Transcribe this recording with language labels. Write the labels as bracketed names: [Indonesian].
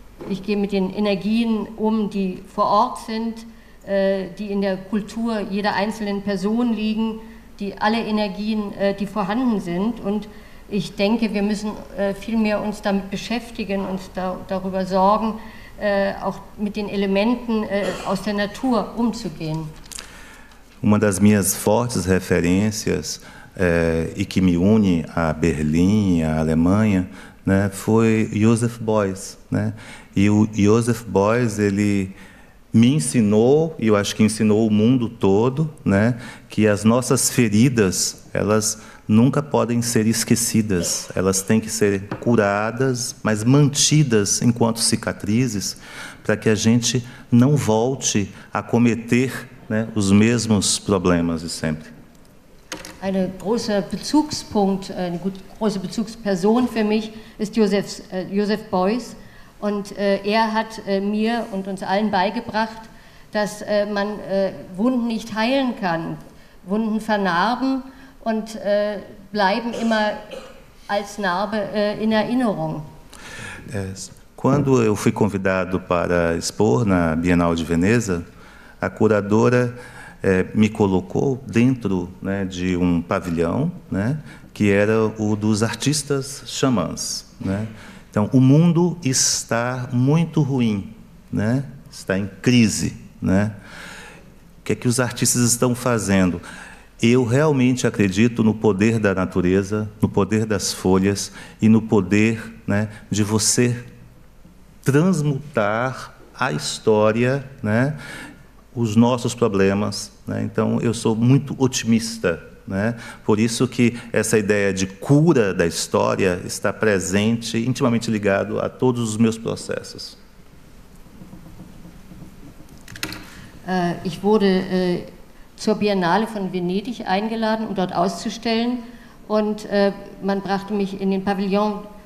[German] Ich gehe mit den Energien um, die vor Ort sind, die in der Kultur jeder einzelnen Person liegen, die alle Energien, die vorhanden sind. Und ich denke, wir müssen vielmehr uns damit beschäftigen, uns darüber sorgen, auch mit den Elementen aus der Natur umzugehen. [Portuguese] Uma das minhas fortes referências e que me une a Berlim, à Alemanha, né, foi Joseph Beuys, né? E o Joseph Beuys, ele me ensinou, e eu acho que ensinou o mundo todo, né, que as nossas feridas, elas nunca podem ser esquecidas, elas têm que ser curadas, mas mantidas enquanto cicatrizes, para que a gente não volte a cometer, né, os mesmos problemas de sempre. [German] Ein großer Bezugspunkt, eine große Bezugsperson für mich ist Joseph Beuys. Und er hat mir und uns allen beigebracht, dass man Wunden nicht heilen kann. Wunden vernarben und bleiben immer als Narbe in Erinnerung. [Portuguese] Quando eu fui convidado para expor na Bienal de Veneza, a curadora me colocou dentro, né, de um pavilhão, né, que era o dos artistas xamãs, né? Então, o mundo está muito ruim, né? Está em crise, né? O que é que os artistas estão fazendo? Eu realmente acredito no poder da natureza, no poder das folhas e no poder, né, de você transmutar a história, né, os nossos problemas, né? Então eu sou muito otimista, né? Por isso que essa ideia de cura da história está presente, intimamente ligado a todos os meus processos. [German] Ich wurde zur Biennale von Venedig eingeladen, um dort auszustellen, und man brachte mich in den Pavillon,